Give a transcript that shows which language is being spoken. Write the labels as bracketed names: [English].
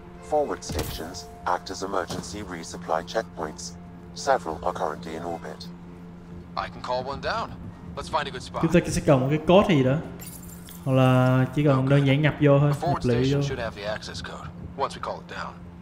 [English] Forward stations act as emergency resupply checkpoints. Several are currently in orbit. I can call one down. Let's find a good spot. [Vietnamese] Chúng ta sẽ cần một cái code gì đó. Hoặc là chỉ cần đơn giản nhập vô thôi, nhập lý vô. [English] Should have the access code once we call it down.